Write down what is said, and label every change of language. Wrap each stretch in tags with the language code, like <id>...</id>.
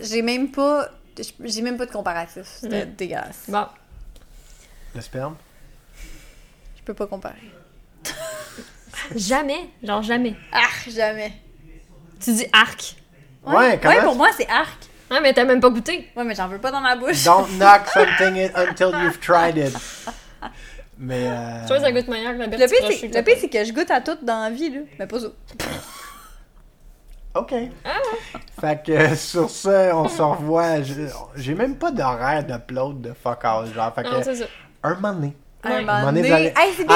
<fr>J'ai même pas de comparatif. C'était dégueulasse. Bon. Le sperme? Je peux pas comparer. Jamais, genre jamais. Arc, jamais. Tu dis arc. Ouais, quand même. Ouais, pour moi, c'est arc. Ouais, mais t'as même pas goûté. Ouais, mais j'en veux pas dans ma bouche.</fr> <en>Don't knock something until you've tried it.</en> <fr>Mais. Tu vois, ça goûte meilleur que la bête. Le pire, c'est que je goûte à tout dans la vie, là. Mais pas ça. OK. Fait que sur ça, on se revoit. J'ai même pas d'horaire d'upload de</fr> <en>fuck all,</en> <fr>genre. Fait que. Non, c'est ça. Un moment donné. Un moment donné. Hey, c'est bien.</fr>